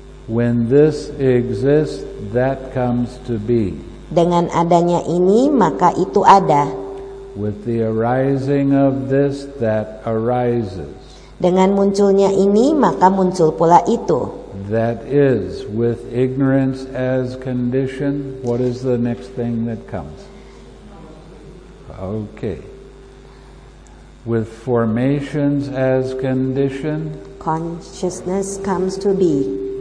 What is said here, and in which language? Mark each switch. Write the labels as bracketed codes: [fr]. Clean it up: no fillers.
[en] When this exists, that comes to be. [id] Dengan adanya ini, maka itu ada. [en] With the arising of this, that arises. [id] Dengan munculnya ini, maka muncul pula itu. [en] That is, with ignorance as condition, what is the next thing that comes? Okay. With formations as condition, consciousness comes to be.